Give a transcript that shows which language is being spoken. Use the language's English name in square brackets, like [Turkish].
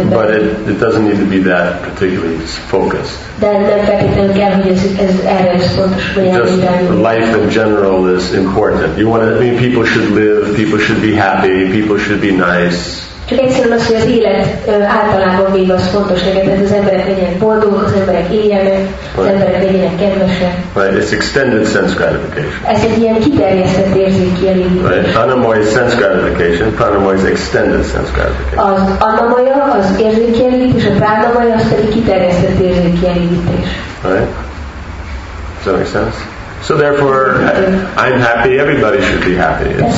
[English] But it doesn't need to be that particularly focused. [Hungarian] De nem feltétlenül kell, hogy ez erre is fontos, vagy erre irányul. [English] Just life in general is important. You want to mean people should live, people should be happy, people should be nice. [Hungarian] Csak egyszerűen az, hogy az élet általában véve az fontos neked, tehát az emberek legyenek boldogok, az emberek éljenek, az emberek legyenek kedvesek. [English] Right, it's extended sense gratification. [Hungarian] Ez egy ilyen kiterjesztett érzékkielégítés. [English] Right, pranamaya sense gratification, pranamaya is extended sense gratification. [Hungarian] Az anamaya az érzékkielégítés, a pranamaya az pedig kiterjesztett érzékkielégítés. [English] Right? Does that make sense? So therefore, I'm happy, everybody should be happy.